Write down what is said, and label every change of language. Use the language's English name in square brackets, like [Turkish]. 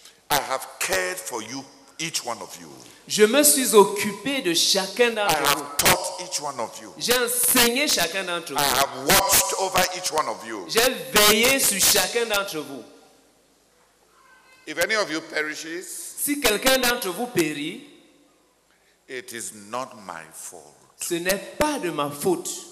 [English] I have cared for you, each one of you. [French] Je me suis occupé de chacun d'entre vous. [English] I have taught each one of you. [French] J'ai enseigné chacun d'entre vous. [English] I have watched over each one of you. [French] J'ai veillé sur chacun d'entre vous. [English] If any of you perishes, [French] si quelqu'un d'entre vous périt, [English] it is not my fault. [French] Ce n'est pas de ma faute.